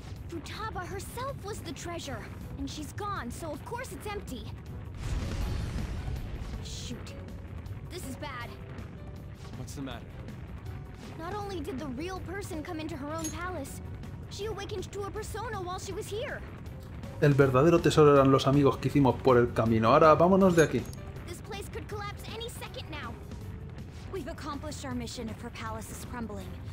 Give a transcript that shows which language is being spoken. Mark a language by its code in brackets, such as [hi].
[en] Futaba herself was the treasure, and she's gone, so of course it's empty. Shoot. This is bad. What's the matter? Not only did the real person come into her own palace, she awakened to a persona while she was here. [es] El verdadero tesoro eran los amigos que hicimos por el camino. Ahora vámonos de aquí. [en] This place could collapse any second now. We've accomplished our mission if her palace is crumbling.